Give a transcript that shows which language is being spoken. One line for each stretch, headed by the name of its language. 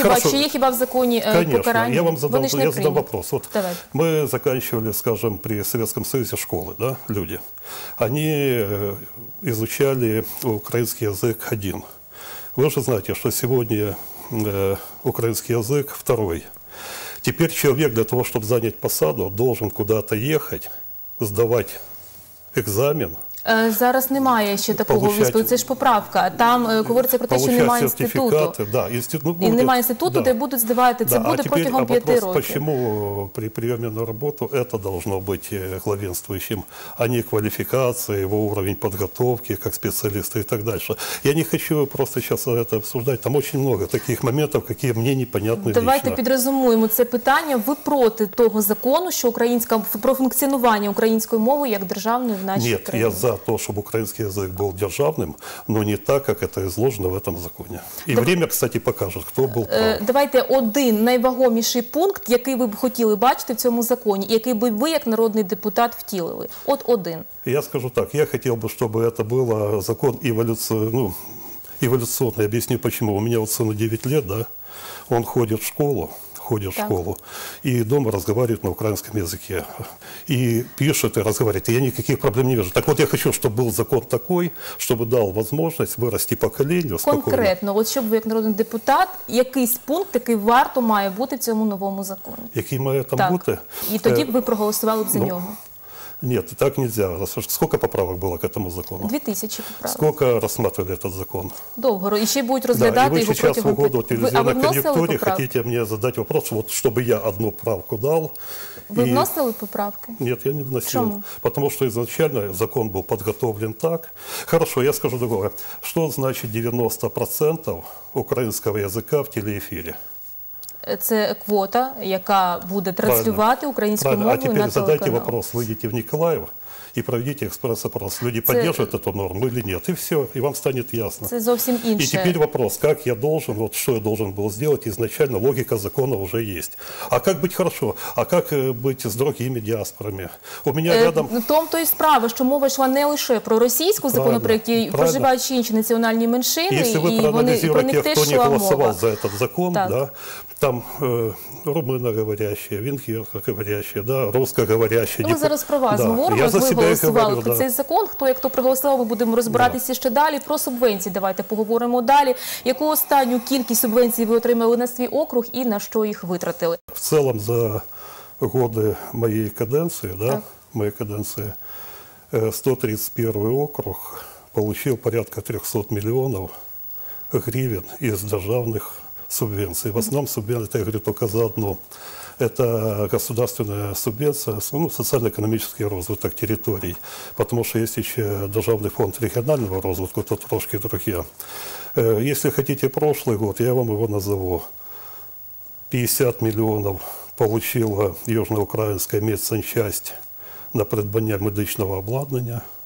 Ukrainian: Чи є хіба в законі покарання?
Russian: Конечно. Я задам вопрос. Вот мы заканчивали, скажем, при Советском Союзе школы, да, люди. Они изучали украинский язык один. Вы же знаете, что сегодня украинский язык второй. Теперь человек для того, чтобы занять посаду, должен куда-то ехать, сдавать экзамен.
Ukrainian: Зараз немає ще такого виступу, це ж поправка. Там говориться про те, що немає інституту.
Russian: Да,
Ukrainian: і немає інституту, де будуть здавати. Це буде протягом 5 років. А чому при прийомі на роботу це повинно бути главенствуючим, а не кваліфікація, його рівень підготовки, як спеціаліста і так далі. Я не хочу просто зараз це обговорювати. Там дуже багато таких моментів, які мені непонятні лично. Давайте підрозумуємо це питання. Ви проти того закону, що про функціонування української мови як державної в нашій країні? За то, щоб український язик був державним, але не так, як це зложено в цьому законі. І час, кстати, покаже, хто був прав. Давайте один найвагоміший пункт, який ви б хотіли бачити в цьому законі, який би ви, як народний депутат, втілили. От один. Я скажу так, я хотів би, щоб це був закон еволюційний. Я об'ясню, чому. У мене сину 9 років, да? Він ходить в школу.
Russian: Ходит в школу и дома разговаривает на украинском языке. И пишет, и разговаривает. И я никаких проблем не вижу. Так вот, я хочу, чтобы был закон такой, чтобы дал возможность вырасти поколению. Конкретно, вот чтобы вы, как народный депутат,
Ukrainian: якийсь пункт, який варто має бути в цьому новому закону? Який має там бути? И тоді б ви проголосували б за нього.
Russian: Нет, так нельзя. Сколько поправок было к этому закону? 2000 поправок. Сколько рассматривали этот закон? Долго. Еще будут разглядать его против... Да, и вы сейчас угоду телевизионной конъюнктуре хотите мне задать вопрос, вот чтобы я одну правку дал. Вы вносили поправки? Нет, я не вносил. Почему? Потому что изначально закон был подготовлен так. Хорошо, я скажу другое. Что значит 90% украинского языка в телеефире?
Ukrainian: Це квота, яка буде транслювати українською мовою на телеканал. А тепер задайте вопрос, вийдіть в Ніколаїв і проведіть експрес-опрос. Люди підтримують цю норму чи ні? І все, і вам стане ясно. Це зовсім інше. І тепер вопрос, як я должен, от що я должен був зробити, ізначально логіка закону вже є. А як бути добре? А як бути з другими діаспорами? У мене рядом... Том-то і справа, що мова йшла не лише про російську законопроєкт, які проживають чи інші національні меншини, і про них теж йшла мова. Якщо ви проаналізуєте, хто не голосував за цей закон, там
Russian: румыноговорящие, венгерскоговорящие, да, русскоговорящие.
Ukrainian: Ну, мы зараз про вас говорим, ви голосували про цей закон, хто проголосував, ми будемо розбиратися ще далі. Про субвенції давайте поговоримо далі. Яку останню кількість субвенцій ви отримали на свій округ і на що їх витратили? В цілому за роки моєї каденції, да, моєї каденції, 131 округ отримав порядка 300 мільйонів гривень із державних субвенции.
Russian: В основном субвенции, это я говорю только за одну, это государственная субвенция, ну, социально-экономический развиток территорий, потому что есть еще Державный фонд регионального развитка, тут трошки другие. Если хотите прошлый год, я вам его назову, 50 миллионов получила Южноукраинская медсанчасть на придбання медичного обладнання.